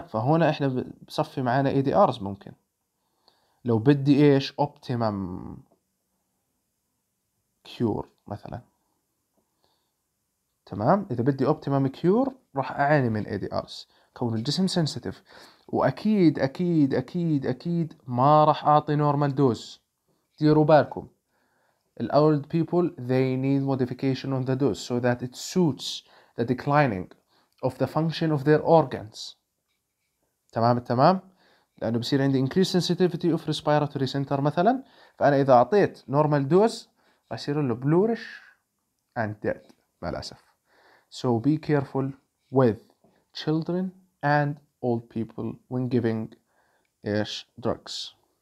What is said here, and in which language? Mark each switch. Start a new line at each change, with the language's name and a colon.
Arabic: فهنا إحنا بصفي معانا ADRs ممكن لو بدي إيش optimum cure مثلا تمام. إذا بدي optimum cure راح أعاني من ADRs كون الجسم sensitive وأكيد أكيد أكيد أكيد ما راح أعطي normal dose. ديروا بالكم
English: the old people they need modification on the dose so that it suits the declining of the function of their organs.
Arabic: تمام التمام لأنه بصير عندي
English: increased sensitivity of respiratory center
Arabic: مثلاً. فأنا إذا أعطيت normal dose بصير له
English: bluish and dead
Arabic: مع الأسف.
English: So be careful with children and old people when giving drugs.